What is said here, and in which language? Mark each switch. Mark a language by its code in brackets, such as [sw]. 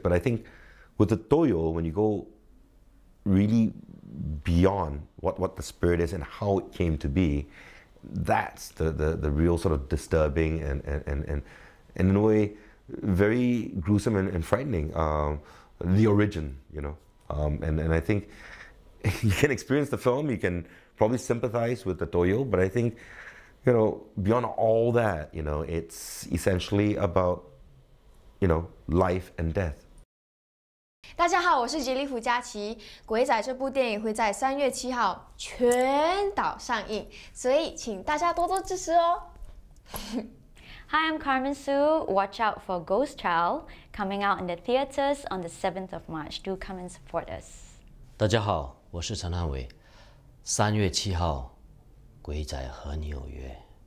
[en] But I think with the Toyo, when you go really beyond what the spirit is and how it came to be, that's the real sort of disturbing and in a way very gruesome and frightening, the origin, you know. And I think you can experience the film, you can probably sympathize with the Toyo, but I think, you know, beyond all that, you know, it's essentially about, you know, life and death. [zh] 大家好，我是吉利福佳琪。鬼仔这部电影会在3月7号全岛上映，所以请大家多多支持哦。 [en] Hi, I'm Carmen Sue. Watch out for Ghost Child coming out in the theaters on the 7th of March. Do come and support us. [zh] 大家好，我是陈汉伟。3月7号，鬼仔和你有约。